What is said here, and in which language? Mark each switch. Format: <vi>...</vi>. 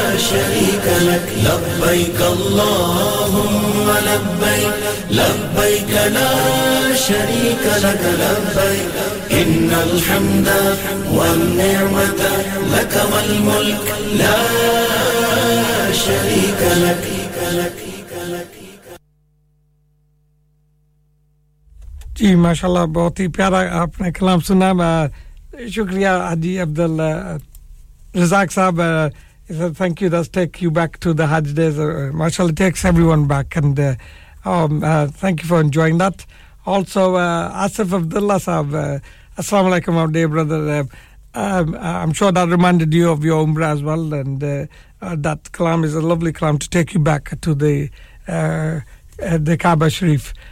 <ar>شريك لك لبيك اللهم لبيك لبيك لا شريك لك لبيك إن الحمد والنعمة لك والملك لا شريك لك</ar> <ur>جی ماشاءاللہ بہت ہی پیارا آپ نے کلام سنا شکریہ حاجی عبدالرزاق صاحب</ur> <en>He said, thank you, let's take you back to the Hajj days. MashaAllah, it takes everyone back. And thank you for enjoying that. Also, Asif Abdullah Sahib, Assalamu alaikum, our dear brother. I'm sure that reminded you of your Umrah as well. And that kalam is a lovely kalam to take you back to the Kaaba Sharif.</en>